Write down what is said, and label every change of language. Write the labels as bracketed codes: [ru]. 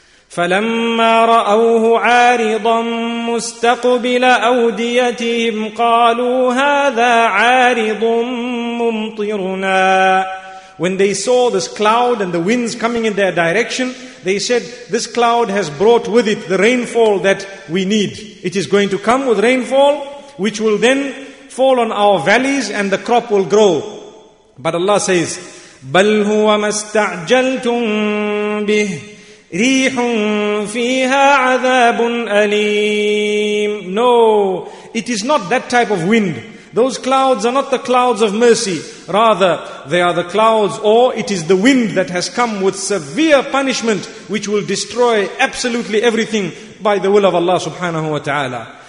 [ar] فَلَمَّا رَأَوْهُ عَارِضًا مُسْتَقْبِلَ أَوْدِيَتِهِمْ قَالُوا هَذَا عَارِضٌ مُمْطِرُنَا. [en] When they saw this cloud and the winds coming in their direction, they said, this cloud has brought with it the rainfall that we need. It is going to come with rainfall, which will then fall on our valleys and the crop will grow. But Allah says, [ar] بَلْ هُوَ مَا اسْتَعْجَلْتُمْ بِهِ رِيحٌ فِيهَا عَذَابٌ أَلِيمٌ. [en] No, it is not that type of wind. Those clouds are not the clouds of mercy. Rather, they are the clouds, or it is the wind that has come with severe punishment, which will destroy absolutely everything by the will of Allah subhanahu wa ta'ala.